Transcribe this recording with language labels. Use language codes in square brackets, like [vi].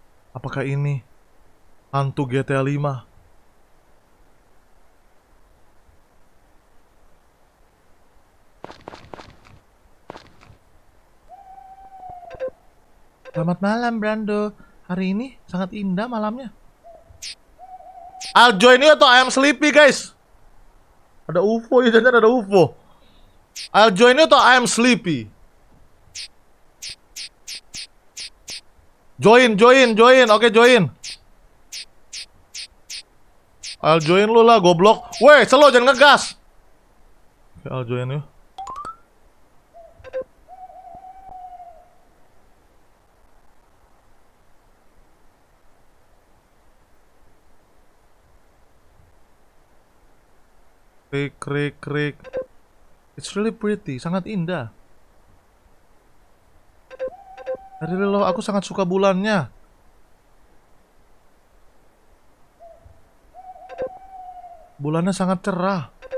[id] Apakah ini hantu GTA 5? Selamat malam, Brando. Hari ini sangat indah malamnya. [en] I'll join you atau I am sleepy, guys? [id] Ada UFO, ya jangan ada UFO. [en] I'll join you [id] atau [en] I am sleepy? Join. Oke, join. I'll join [id] lu lah, goblok. Weh, slow, jangan ngegas. Oke, [en] I'll join you. Krik. It's really pretty, [id] sangat indah. Hari ini loh, aku sangat suka bulannya. Bulannya sangat cerah.